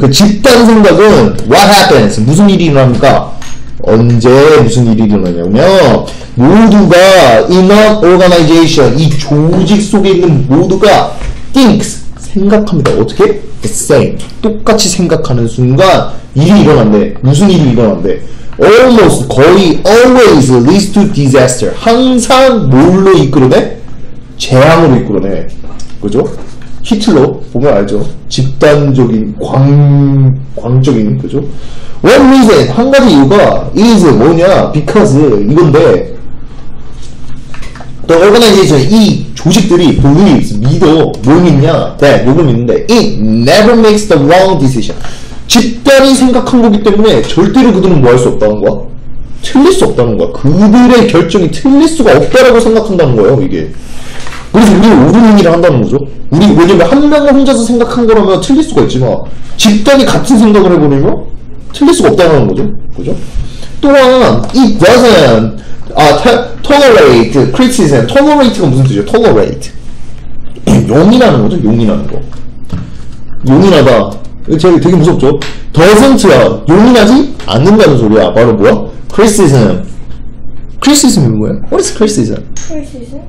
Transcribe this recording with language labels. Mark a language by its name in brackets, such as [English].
[Korean] 그 집단 생각은, [English] what happens? [Korean] 무슨 일이 일어납니까? 언제 무슨 일이 일어나냐면 모두가 [English] in an organization [Korean] 이 조직 속에 있는 모두가 [English] thinks [Korean] 생각합니다. 어떻게? [English] the same [Korean] 똑같이 생각하는 순간 일이 일어난대. 무슨 일이 일어난대? [English] almost [Korean] 거의 [English] always leads to disaster. [Korean] 항상 뭘로 이끌어내? 재앙으로 이끌어내. 그죠? 히틀러 보면 알죠? 집단적인 광적인 그죠? [English] One reason, [Korean] 한 가지 이유가 is 뭐냐? Because 이건데 [English] The organization, [Korean] 이 조직들이 [English] believes, [Korean] 믿어 뭘 믿냐? 네, 요건 믿는데 [English] It never makes the wrong decision. [Korean] 집단이 생각한 거기 때문에 절대로 그들은 뭐 할 수 없다는 거야? 틀릴 수 없다는 거야. 그들의 결정이 틀릴 수가 없다라고 생각한다는 거예요, 이게. 그래서 우리 옳은 일을 한다는 거죠. 우리 왜냐면 한 명을 혼자서 생각한 거라면 틀릴 수가 있지만 집단이 같은 생각을 해버리면 틀릴 수가 없다는 거죠. 그죠? 또한 [English] it doesn't tolerate criticism. [Korean] tolerate가 무슨 뜻이죠? tolerate 용인하는 거죠. 용인하는 거. 용인하다. 제가 되게 무섭죠. Doesn't야 용인하지 않는다는 소리야. 바로 뭐야? Criticism. Criticism이 뭐야? [English] What is criticism? Criticism?